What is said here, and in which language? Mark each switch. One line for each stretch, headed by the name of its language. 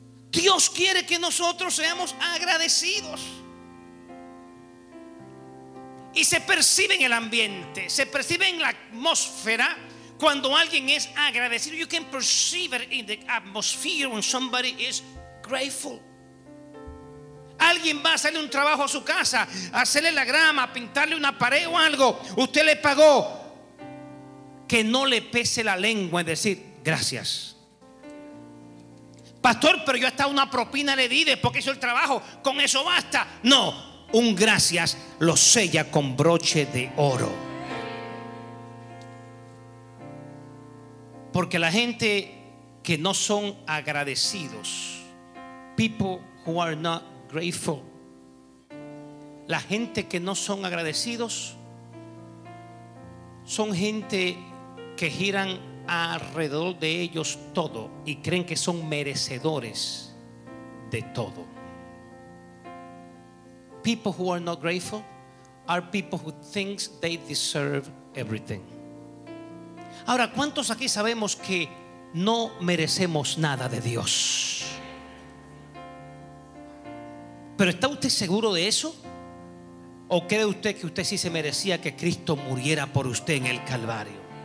Spanish: Dios quiere que nosotros seamos agradecidos. Y se percibe en el ambiente, se percibe en la atmósfera cuando alguien es agradecido.
English: You can perceive it in the atmosphere when somebody is grateful.
Spanish: Alguien va a hacerle un trabajo a su casa, hacerle la grama, pintarle una pared o algo, usted le pagó. Que no le pese la lengua en decir gracias. Pastor, pero yo hasta una propina le di después que hizo el trabajo, con eso basta. No, un gracias lo sella con broche de oro. Porque la gente que no son agradecidos,
English: people who are not grateful,
Spanish: la gente que no son agradecidos son gente que giran alrededor de ellos todo y creen que son merecedores de todo.
English: People who are not grateful are people who think they deserve everything.
Spanish: Ahora, ¿cuántos aquí sabemos que no merecemos nada de Dios? ¿Pero está usted seguro de eso? ¿O cree usted que usted sí se merecía que Cristo muriera por usted en el Calvario?